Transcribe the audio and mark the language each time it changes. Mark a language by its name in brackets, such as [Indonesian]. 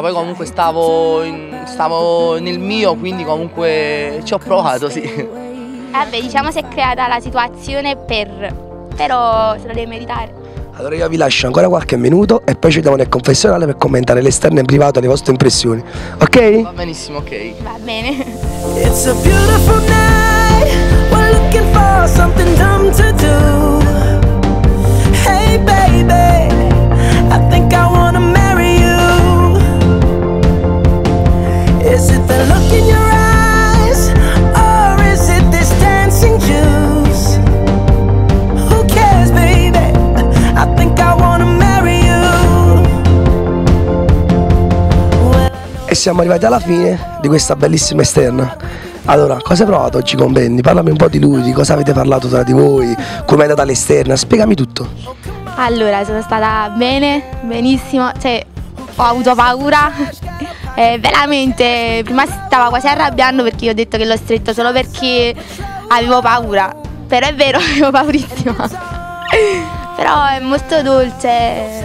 [Italian] Poi comunque stavo nel mio, quindi comunque ci ho provato, sì. Vabbè, diciamo si è creata la situazione però se la deve meritare. Allora io vi lascio ancora qualche minuto e poi ci vediamo nel confessionale per commentare l'esterno in privato e le vostre impressioni, ok? Va benissimo, ok. Va bene. [English] It's a beautiful night, we're looking for something dumb to do. Hey baby, I think I wanna marry you. Is it the look in your eyes, or is it this dancing juice? Who cares, baby? I think I wanna marry you. [Italian] E siamo arrivati alla fine di questa bellissima esterna. Allora, cosa hai provato oggi con Benny? Parlami un po' di lui, di cosa avete parlato tra di voi, come è andata l'esterna, spiegami tutto. Allora, sono stata bene, benissimo, cioè ho avuto paura, veramente, prima stavo quasi arrabbiando perché io ho detto che l'ho stretto solo perché avevo paura, però è vero, avevo paurissima, però è molto dolce.